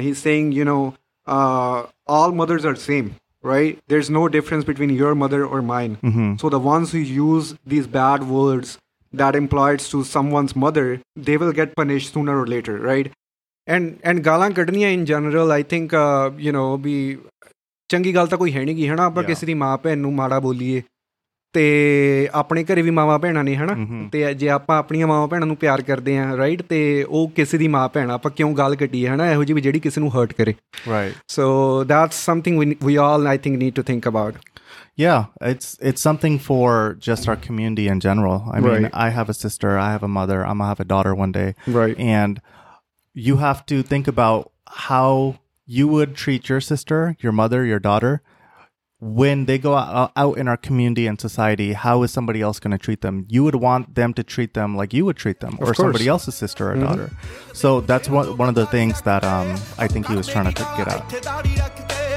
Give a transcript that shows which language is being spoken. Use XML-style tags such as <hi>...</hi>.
<en>He's saying, you know, all mothers are the same, right? There's no difference between your mother or mine. Mm-hmm. So the ones who use these bad words that implies to someone's mother, they will get punished sooner or later, right? And Galang Kadniya in general, I think, you know, be...</en> <pa>ਚੰਗੀ ਗੱਲ ਤਾਂ ਕੋਈ ਹੈ ਨਹੀਂ ਗੀ ਹਨਾ ਆਪਾਂ ਕਿਸੇ ਦੀ ਮਾਂ ਭੈਣ ਨੂੰ ਮਾੜਾ ਬੋਲੀਏ ਤੇ ਆਪਣੇ ਘਰੇ ਵੀ ਮਾਵਾਂ ਭੈਣਾਂ ਨੇ ਹਨਾ ਤੇ ਜੇ ਆਪਾਂ ਆਪਣੀਆਂ ਮਾਵਾਂ ਭੈਣਾਂ ਨੂੰ ਪਿਆਰ ਕਰਦੇ ਹਾਂ ਰਾਈਟ ਤੇ ਉਹ ਕਿਸੇ ਦੀ ਮਾਂ ਭੈਣ ਆਪਾਂ ਕਿਉਂ ਗੱਲ ਕੱਢੀਏ ਹਨਾ ਇਹੋ ਜਿਹੀ ਵੀ ਜਿਹੜੀ ਕਿਸੇ ਨੂੰ ਹਰਟ ਕਰੇ</pa> <en>Right so that's something we all I think need to think about yeah it's something for just our community in general I mean I have a sister I have a mother um I have a daughter one day right and you have to think about how you would treat your sister your mother your daughter When they go out in our community and society, how is somebody else going to treat them? You would want them to treat them like you would treat them or somebody else's sister or daughter. So that's one of the things that I think he was trying to get at.</en>